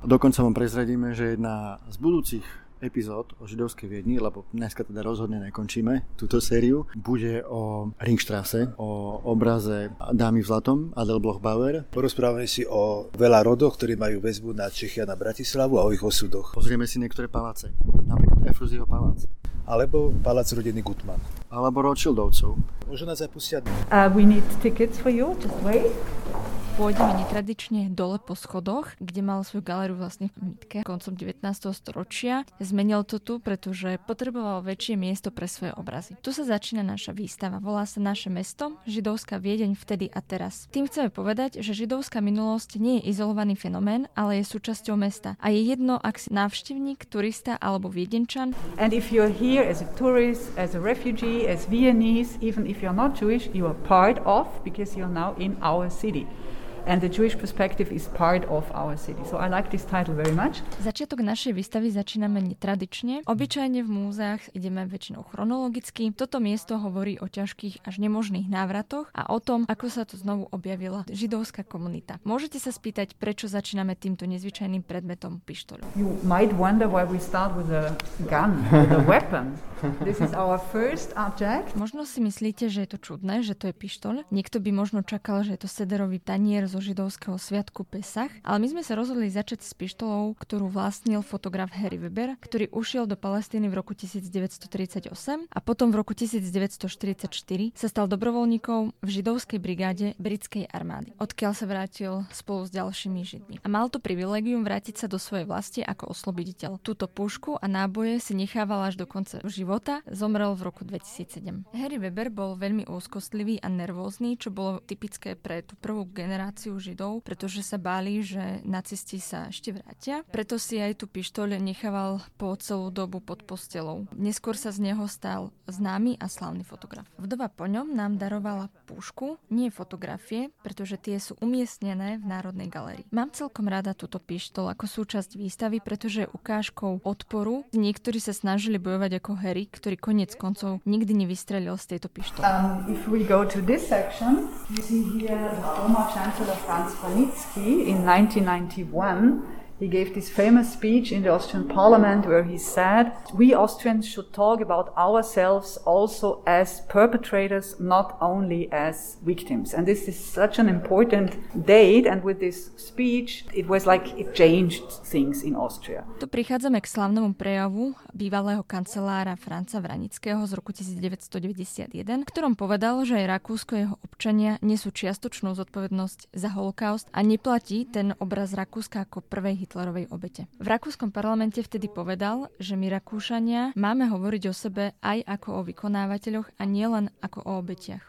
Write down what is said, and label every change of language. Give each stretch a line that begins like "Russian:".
Slovak: Dokonca vám prezradíme, že jedna z budúcich epizód o židovskej Viedni, lebo dneska teda rozhodne nekončíme túto sériu, bude o Ringstrasse, o obraze Dámy v zlatom Adel Bloch-Bauer. Porozprávame si o veľa rodoch, ktorí majú väzbu na Čechy a na Bratislavu a o ich osudoch. Pozrieme si niektoré paláce, napríklad Efruzyho palác. Alebo palác rodiny Gutmann. Alebo Rothschildovcov. Môžu nás aj pustiť.
English: We need tickets for you, just wait.
Slovak: Pôjdeme netradične dole po schodoch, kde mal svoju galériu vlastne v Mitke koncom 19. storočia. Zmenil to tu, pretože potreboval väčšie miesto pre svoje obrazy. Tu sa začína naša výstava. Volá sa Naše mesto, židovská Viedeň vtedy a teraz. Tým chceme povedať, že židovská minulosť nie je izolovaný fenomén, ale je súčasťou mesta. A je jedno, ak si návštevník, turista alebo Viedenčan.
English: And if you're here as a tourist, as a refugee, as Viennese, even if you're not Jewish, you are part of, because you're now in our city. And the Jewish perspective is part of our city. So I like this title very much.
Slovak: Začiatok našej výstavy začíname netradične. Obyčajne v múzeách ideme väčšinou chronologicky. Toto miesto hovorí o ťažkých až nemožných návratoch a o tom, ako sa tu znovu objavila židovská komunita. Môžete sa spýtať, prečo začíname týmto nezvyčajným predmetom, pištoľou.
English: You might wonder why we start with a gun, with a weapon. This is our first object.
Slovak: Možno si myslíte, že je to čudné, že to je pištoľ. Niekto by možno čakal, že je to sederový tanier zo židovského sviatku Pesach, ale my sme sa rozhodli začať s pištolou, ktorú vlastnil fotograf Harry Weber, ktorý ušiel do Palestíny v roku 1938 a potom v roku 1944 sa stal dobrovoľníkom v židovskej brigáde britskej armády, odkiaľ sa vrátil spolu s ďalšími židmi. A mal to privilegium vrátiť sa do svojej vlasti ako osloboditeľ. Túto pušku a náboje si nechával až do konca života, zomrel v roku 2007. Harry Weber bol veľmi úzkostlivý a nervózny, čo bolo typické pre tú prvú generáciu židov, pretože sa báli, že nacisti sa ešte vrátia. Preto si aj tú pištoľ nechával po celú dobu pod postelou. Neskôr sa z neho stal známy a slavný fotograf. Vdova po ňom nám darovala pušku, nie fotografie, pretože tie sú umiestnené v Národnej galérii. Mám celkom rada túto pištoľ ako súčasť výstavy, pretože je ukážkou odporu. Niektorí sa snažili bojovať ako Harry, ktorý koniec koncov nikdy nevystrelil z tejto pištoľ.
English: If we go to this section, you see here the former chancellor Franz Palicki in 1991. He gave this famous speech in the Austrian parliament where he said, we Austrians should talk about ourselves also as perpetrators, not only as victims. And this is such an important date, and with this speech it was like it changed things in Austria.
Slovak: Tu prichádzame k slavnému prejavu bývalého kancelára Franca Vranického z roku 1991, ktorom povedal, že aj Rakúsko jeho občania nesú čiastočnú zodpovednosť za holokaust a neplatí ten obraz Rakúska ako prvej hitlerovej Hitlerovej obete. V rakúskom parlamente vtedy povedal, že my Rakúšania máme hovoriť o sebe aj ako o vykonávateľoch a nielen ako o obetiach.